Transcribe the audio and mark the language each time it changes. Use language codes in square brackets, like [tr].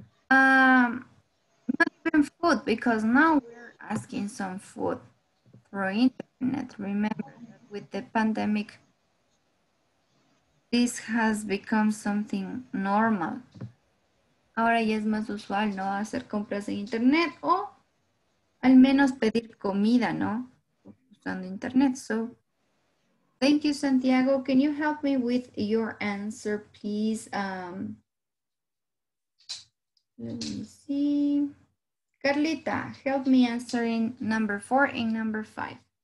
[en] Not even food, because now we're asking some food through internet. Remember, with the pandemic, this has become something normal. [es] Ahora ya es más usual, ¿no? Hacer compras en internet o al menos pedir comida, ¿no? [en] Usando internet. So, thank you, Santiago. Can you help me with your answer, please? Let me see. Carlita, help me answer in number 4 and number 5.